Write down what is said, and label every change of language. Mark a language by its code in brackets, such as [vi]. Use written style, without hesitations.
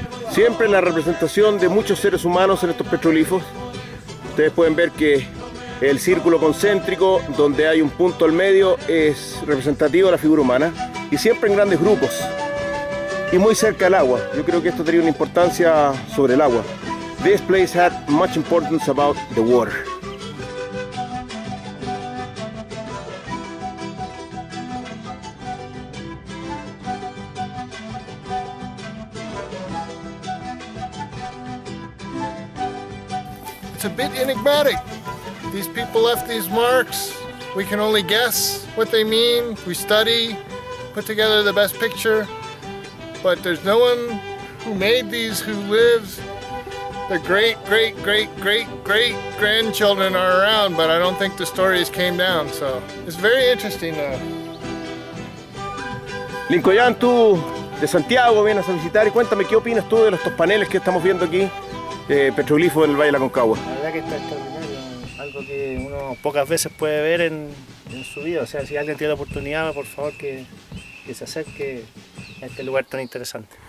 [es] Siempre la representación de muchos seres humanos en estos petroglifos. Ustedes pueden ver que el círculo concéntrico donde hay un punto al medio es representativo de la figura humana y siempre en grandes grupos y muy cerca del agua. Yo creo que esto tenía una importancia sobre el agua. [en] This place had much importance about the water. It's a bit enigmatic. These people left these marks. We can only guess what they mean. We study, put together the best picture, but there's no one who made these who lives. The great, great, great, great, great grandchildren are around, but I don't think the stories came down, so it's very interesting though. [es] Lincoln, tú de Santiago vienes a visitar y cuéntame qué opinas tú de estos paneles que estamos viendo aquí, petroglifos del Valle de la Aconcagua. La verdad que está extraordinario. algo que uno pocas veces puede ver en su vida. O sea, si alguien tiene la oportunidad, por favor que se acerque a este lugar tan interesante.